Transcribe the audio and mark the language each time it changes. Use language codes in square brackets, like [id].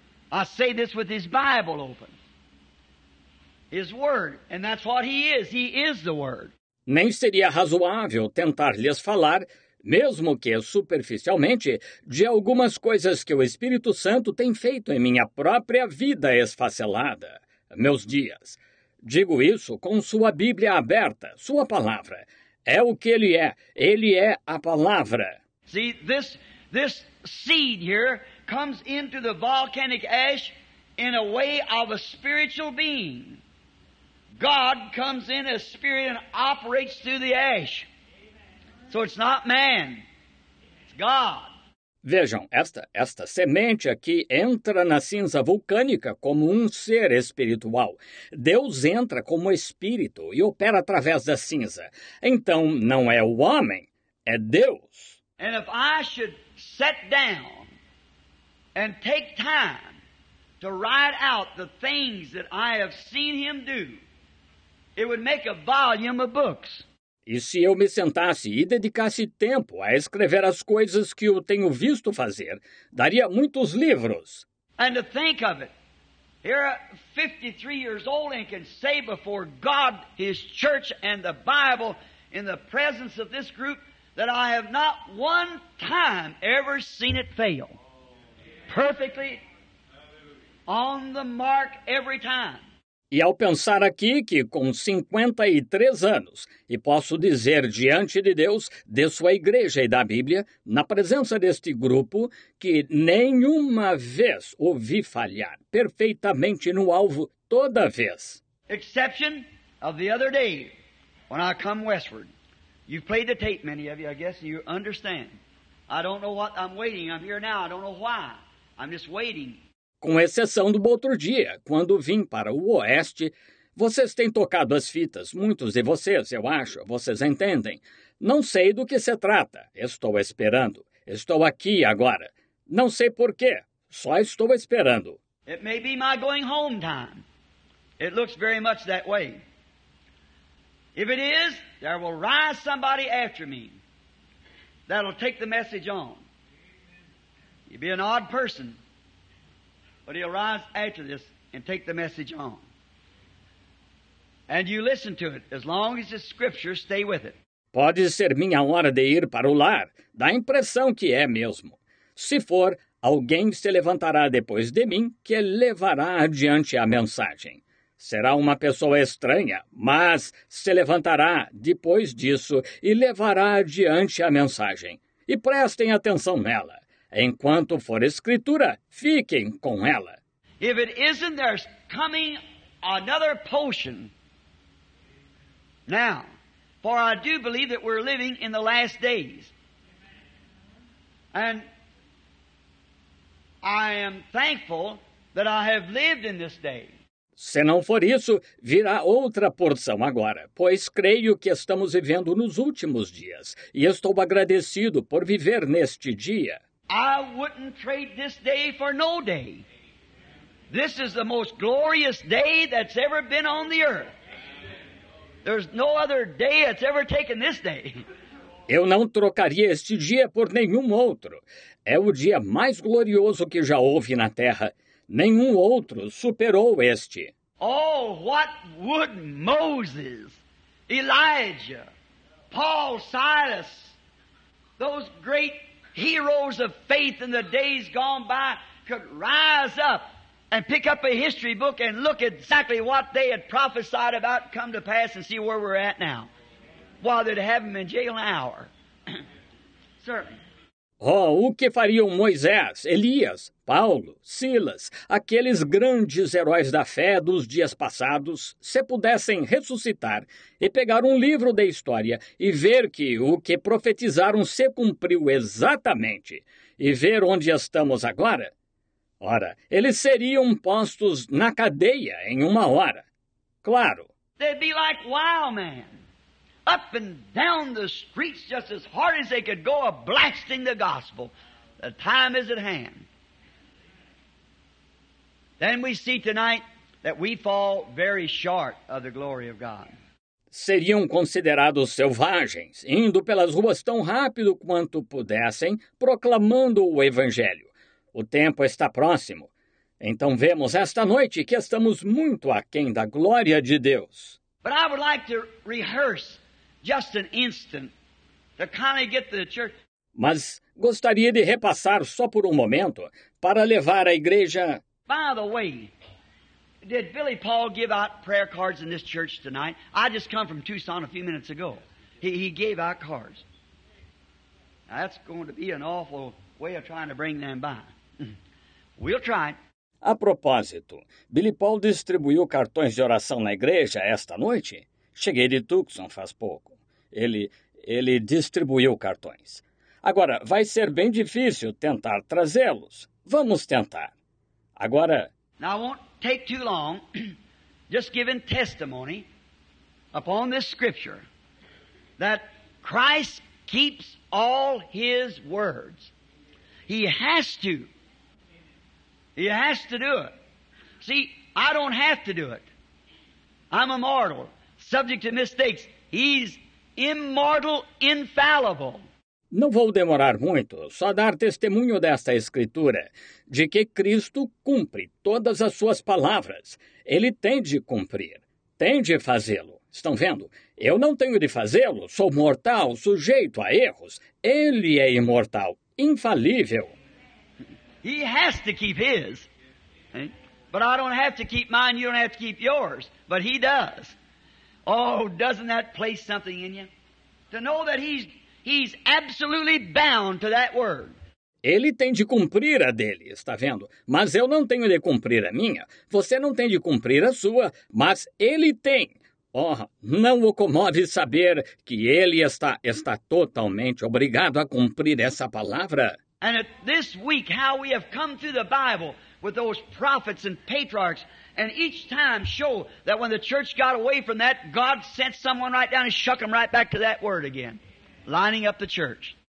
[en] I say this with his Bible open, his word, and that's what he is the word. [pt] Nem seria razoável tentar lhes falar, mesmo que superficialmente, de algumas coisas que o Espírito Santo tem feito em minha própria vida esfacelada, meus dias. Digo isso com sua Bíblia aberta, sua palavra. É o que ele é a palavra. [en] See, this seed here comes into the volcanic ash in a way of a spiritual being. God comes in as spirit and operates through the ash. So it's not man, it's God. [pt] Vejam, esta semente aqui entra na cinza vulcânica como um ser espiritual. Deus entra como espírito e opera através da cinza. Então, não é o homem, é Deus. [en] And if I should sit down and take time to write out the things that I have seen him do, it would make a volume of books. [pt] E se eu me sentasse e dedicasse tempo a escrever as coisas que eu tenho visto fazer, daria muitos livros. [en] And to think of it, here I'm 53 years old and can say before God, his church, and the Bible, in the presence of this group, that I have not one time ever seen it fail. Perfectly on the mark every time. [pt] E ao pensar aqui que com 53 anos, e posso dizer diante de Deus, de sua igreja e da Bíblia, na presença deste grupo, que nenhuma vez ouvi falhar perfeitamente no alvo toda vez. [en] Exception of the other day, when I come westward. You've played the tape, many of you, I guess, and you understand. I don't know what I'm waiting. I'm here now. I don't know why. I'm just waiting. [pt] Com exceção do outro dia, quando vim para o Oeste, vocês têm tocado as fitas, muitos de vocês, eu acho, vocês entendem. Não sei do que se trata, estou esperando, estou aqui agora. Não sei por quê, só estou esperando. [en] It may be my going home time. It looks very much that way. If it is, there will rise somebody after me that'll take the message on. You'd be an odd person. But he'll rise after this and take the message on. And you listen to it. As long as it's Scripture, stay with it. [pt] Pode ser minha hora de ir para o lar. Dá a impressão que é mesmo. Se for, alguém se levantará depois de mim que levará adiante a mensagem. Será uma pessoa estranha, mas se levantará depois disso e levará adiante a mensagem. E prestem atenção nela. Enquanto for escritura, fiquem com ela. [en] If it isn't, there's coming another portion. Now, for I do believe that we're living in the last days. And I am thankful that I have lived in this day. [pt] Se não for isso, virá outra porção agora, pois creio que estamos vivendo nos últimos dias, e estou agradecido por viver neste dia. [en] I wouldn't trade this day for no day. This is the most glorious day that's ever been on the earth. There's no other day that's ever taken this day. [pt] Eu não trocaria este dia por nenhum outro. É o dia mais glorioso que já houve na terra. Nenhum outro superou este. [en] Oh, what would Moses, Elijah, Paul, Silas, those great heroes of faith in the days gone by could rise up and pick up a history book and look exactly what they had prophesied about come to pass and see where we're at now, while they'd have them in jail an hour. Certainly. [pt] Oh, o que fariam Moisés, Elias, Paulo, Silas, aqueles grandes heróis da fé dos dias passados, se pudessem ressuscitar e pegar um livro da história e ver que o que profetizaram se cumpriu exatamente e ver onde estamos agora? Ora, eles seriam postos na cadeia em uma hora. Claro. [en] They'd be like wild men. Up and down the streets just as hard as they could go, a blasting the gospel. The time is at hand. Then we see tonight that we fall very short of the glory of God. [pt] Seriam considerados selvagens, indo pelas ruas tão rápido quanto pudessem, proclamando o evangelho. O tempo está próximo. Então vemos esta noite que estamos muito aquém da glória de Deus. [en] But I would like to rehearse just an instant to kind of get the church. [pt] Mas gostaria de repassar só por momento para levar a igreja. [en] By the way, did Billy Paul give out prayer cards in this church tonight? I just come from Tucson a few minutes ago. He gave out cards. Now that's going to be an awful way of trying to bring them by. We'll try. [pt] A propósito, Billy Paul distribuiu cartões de oração na igreja esta noite? Cheguei de Tucson faz pouco. Ele distribuiu cartões. Agora, vai ser bem difícil tentar trazê-los. Vamos tentar. Agora... [en] Now, I won't take too long, just giving testimony upon this scripture that Christ keeps all his words. He has to. He has to do it. See, I don't have to do it. I'm a mortal, subject to mistakes. He's immortal, infallible. [pt] Não vou demorar muito, só dar testemunho desta escritura, de que Cristo cumpre todas as suas palavras. Ele tem de cumprir, tem de fazê-lo. Estão vendo? Eu não tenho de fazê-lo, sou mortal, sujeito a erros. Ele é imortal, infalível. [en] He has to keep his. But I don't have to keep mine, you don't have to keep yours. But he does. Oh, doesn't that place something in you? To know that he's absolutely bound to that word. [pt] Ele tem de cumprir a dele, está vendo? Mas eu não tenho de cumprir a minha. Você não tem de cumprir a sua, mas ele tem. Oh, não o comove saber que ele está totalmente obrigado a cumprir essa palavra. [en] And this week, how we have come through the Bible with those prophets and patriarchs, and each time show that when the church got away from that, God sent someone right down and shook them right back to that word again, lining up the church.